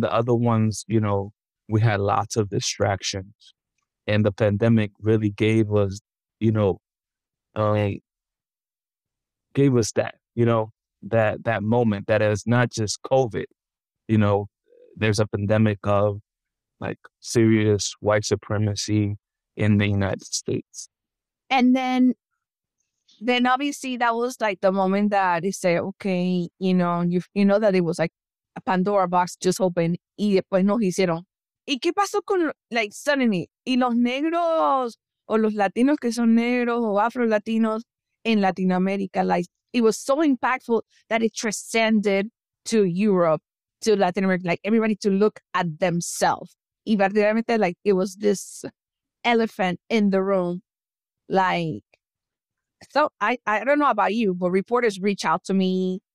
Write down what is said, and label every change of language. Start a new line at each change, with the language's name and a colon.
English: The other ones, you know, we had lots of distractions, and the pandemic really gave us, you know, gave us that, you know, that moment that is not just COVID, you know, there's a pandemic of like serious white supremacy in the United States. And then obviously that was like the moment that they say, okay, you know, you know that it was like a Pandora box just opened.
Spanish: Y después nos hicieron. ¿Y qué pasó con,
English: like, suddenly?
Spanish: ¿Y los negros o los latinos que son negros o afro-latinos en Latinoamérica?
English: Like, it was so impactful that it transcended to Europe, to Latin America, like everybody to look at themselves.
Spanish: Y verdaderamente,
English: like, it was this elephant in the room. Like, so I don't know about you, but reporters reach out to me.